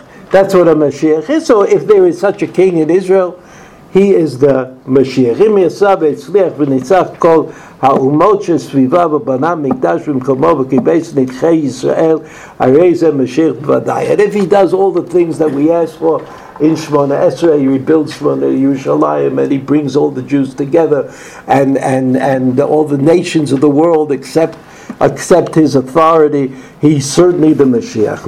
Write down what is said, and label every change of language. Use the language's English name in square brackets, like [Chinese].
[English] That's what a Mashiach is. So if there is such a king in Israel, he is the Mashiach. [Hebrew] אם יצא והצליח וניצח כל האומות שסביבה ובנה מקדש במקומו וקיבץ נדחי ישראל, הרי זה משיח בוודאי. [English] And if he does all the things that we ask for in Shmona Esra, he rebuilds Shmona Yerushalayim and he brings all the Jews together and all the nations of the world accept his authority, he's certainly the Mashiach.